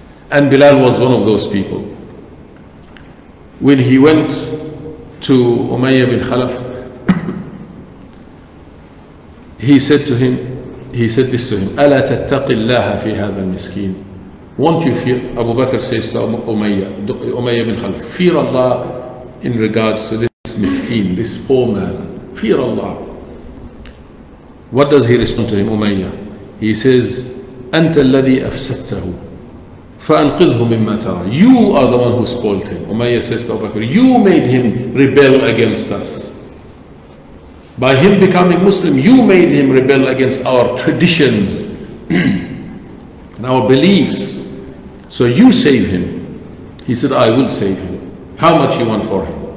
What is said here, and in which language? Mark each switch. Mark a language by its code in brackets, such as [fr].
[en] And Bilal was one of those people. When he went to Umayyah bin Khalaf, he said this to him, [ar] أَلَا تَتَّقِ اللَّهَ فِي هَذَا الْمِسْكِينَ. [en] Won't you fear? Abu Bakr says to Umayyah bin Khalaf, fear Allah in regards to this miskeen, this poor man. Fear Allah. What does he respond to him, Umayyah? He says, [ar] أَنْتَ الَّذِي أَفْسَدْتَهُ فَأَنْقِذْهُ مِمَّا تَرَى. [en] You are the one who spoiled him. Umayyah says to Abu Bakr, you made him rebel against us. By him becoming Muslim, you made him rebel against our traditions and our beliefs. So you save him. He said, I will save him. How much you want for him?